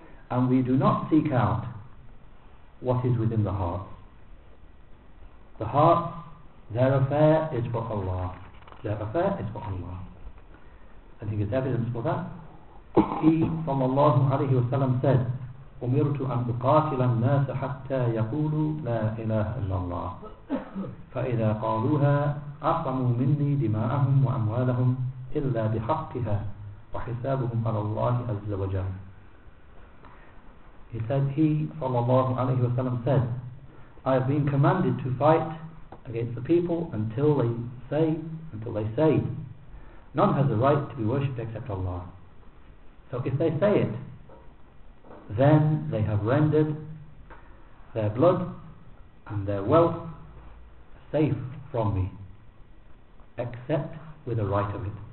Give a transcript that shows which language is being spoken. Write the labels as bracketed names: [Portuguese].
[English] And we do not seek out what is within the heart. The heart, their affair is for Allah. Their affair is for Allah. And he gives evidence for that. He, from Allah, said, [Arabic] أمرت أن أقاتل الناس حتى يقولوا لا إله إلا الله فإذا قالوها أقموا مني دماءهم وأموالهم إلا بحقها وحسابهم على الله عز وجل. [English] He said, he sallallahu alayhi wa sallam said, I have been commanded to fight against the people until they say none has a right to be worshipped except Allah. So if they say it, then they have rendered their blood and their wealth safe from me, except with a right of it.